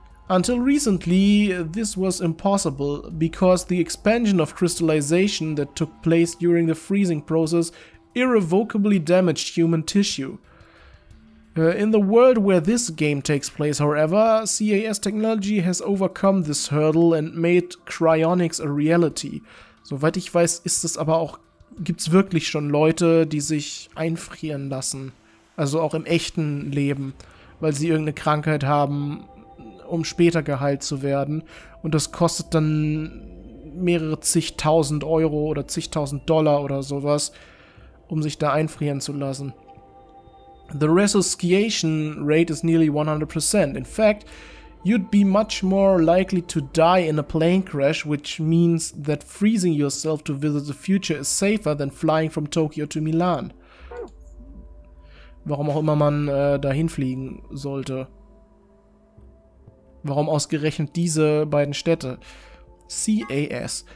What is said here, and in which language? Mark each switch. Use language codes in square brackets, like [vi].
[en] Until recently, this was impossible, because the expansion of crystallization that took place during the freezing process irrevocably damaged human tissue. In the world where this game takes place, however, CAS technology has overcome this hurdle and made cryonics a reality. [de] Soweit ich weiß, ist es aber auch, gibt's wirklich schon Leute, die sich einfrieren lassen. Also auch im echten Leben, weil sie irgendeine Krankheit haben, um später geheilt zu werden. Und das kostet dann mehrere zigtausend Euro oder zigtausend Dollar oder sowas, um sich da einfrieren zu lassen. [en] The resusciation rate is nearly 100%. In fact, you'd be much more likely to die in a plane crash, which means that freezing yourself to visit the future is safer than flying from Tokyo to Milan. [de] Warum auch immer man dahin fliegen sollte. Warum ausgerechnet diese beiden Städte? CAS.